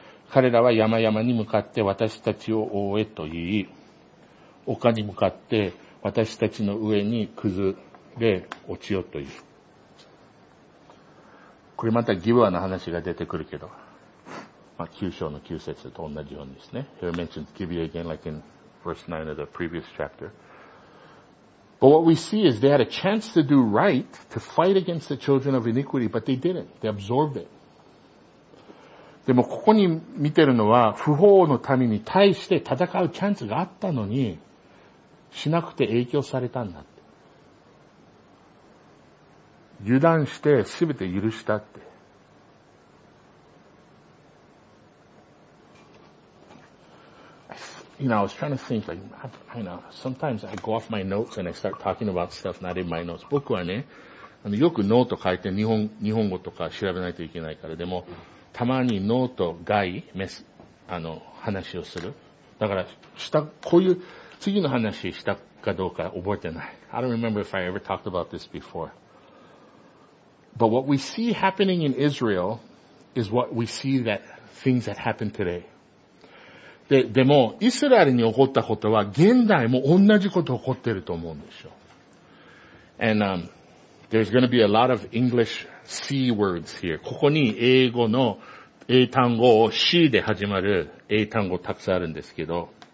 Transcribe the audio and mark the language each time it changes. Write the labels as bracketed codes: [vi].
[ja] 彼らは山々に向かって私たちを覆えと言い、丘に向かって私たちの上に崩れ落ちよと言う。これまたギブアの話が出てくるけど、まあ9章の9節と同じようにですね。 [en] Here mentions Gibeah again like in verse 9 of the previous chapter. But what we see is they had a chance to do right, to fight against the children of iniquity, but they didn't. They absorbed it. [ja] でもここに見てるのは、不法の民に対して戦うチャンスがあったのに、しなくて影響されたんだって。油断して全て許したって。 [en] You know, I was trying to think, like, I know, sometimes I go off my notes and I start talking about stuff not in my notes. [ja] 僕はね、よくノート書いて日本語とか調べないといけないから、でも、たまにノート外、話をする。だから、こういう、次の話したかどうか覚えてない。 [en] I don't remember if I ever talked about this before. But what we see happening in Israel is what we see that things that happen today. [ja] でも、イスラエルに起こったことは、現代も同じこと起こってると思うんですよ。 [en] And, there's gonna be a lot of English C words here. [ja] ここに英語の A 単語を C で始まる A 単語たくさんあるんですけど。